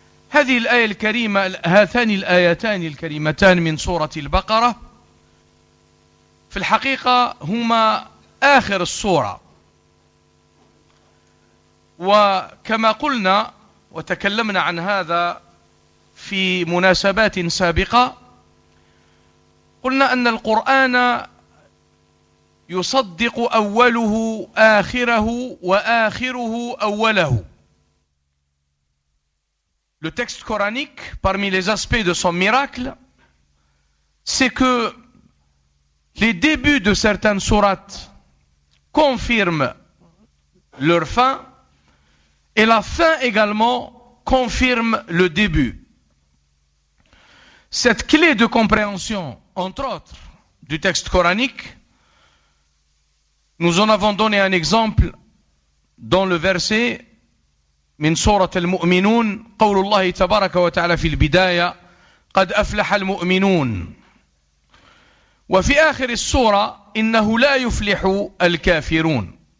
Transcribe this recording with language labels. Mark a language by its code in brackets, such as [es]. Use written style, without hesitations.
[ar] هذه الآية الكريمة، هاتان الآيتان الكريمتان من سورة البقرة، في الحقيقة هما آخر السورة، وكما قلنا وتكلمنا عن هذا في مناسبات سابقة، قلنا أن القرآن يصدق أوله آخره وآخره أوله. [fr] Le texte coranique, parmi les aspects de son miracle, c'est que les débuts de certaines sourates confirment leur fin, et la fin également confirme le début. Cette clé de compréhension, entre autres, du texte coranique, nous en avons donné un exemple dans le verset [ar] من سورة المؤمنون، قول الله تبارك وتعالى في البداية: قد أفلح المؤمنون، وفي آخر السورة: إنه لا يفلح الكافرون.